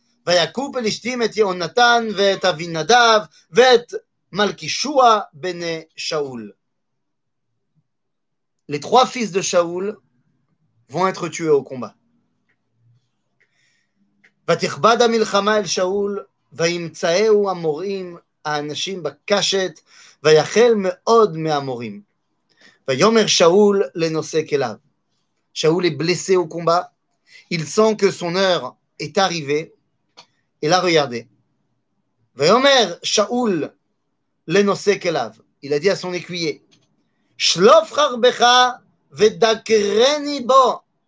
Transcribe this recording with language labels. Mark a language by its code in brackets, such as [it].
[he] ויקוב פלישתים את יהונתן ואת אבינדב ואת מלכישוע בני שאול. [fr] Les trois fils de Shaul vont être tués au combat. [he] ותכבד המלחמה אל שאול וימצאהו המורים האנשים בקשת ויחל מאוד מהמורים. ויומר שאול לנושא כליו. [fr] שאול est blessé au combat. Il sent que son heure est arrivée. Et là, regardez. [he] Vayomer Shaul lenoseh kelav. [fr] Il a dit à son écuyer: [he] Shlof harbecha vedakreni bo.